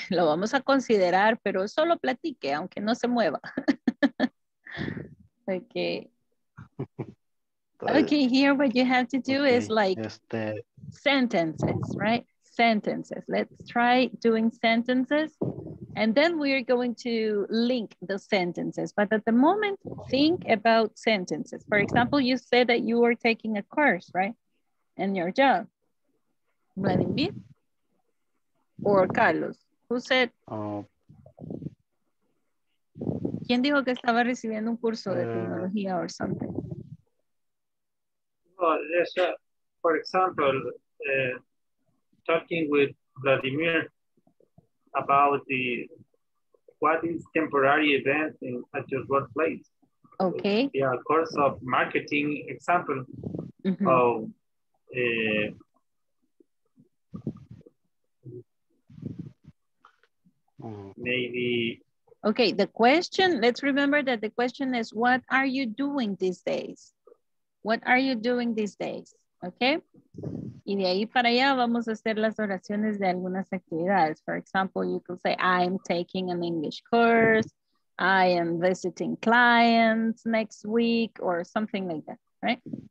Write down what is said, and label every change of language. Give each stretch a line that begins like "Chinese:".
Spanish: Lo vamos a considerar, pero solo platique, aunque no se mueva.
English: Okay. Okay, here what you have to do okay. is like sentences, right? Sentences. Let's try doing sentences. And then we are going to link the sentences. But at the moment, think about sentences. For example, you said that you are taking a course, right? And your job. Vladimir? Or Carlos? Who said?
Spanish: ¿Quién dijo que estaba recibiendo un curso de tecnología
English: or something? For example, talking with Vladimir about the what is temporary event in at your workplace. Okay. Yeah, course of marketing example mm-hmm. of maybe. Okay, the question, let's remember that the question is what are you doing these days? What are you doing these days? Okay.
Spanish: Y de ahí para allá vamos a hacer las oraciones de algunas actividades.
English: For example, you can say, I am taking an English course. I am visiting clients next week or something like that, right?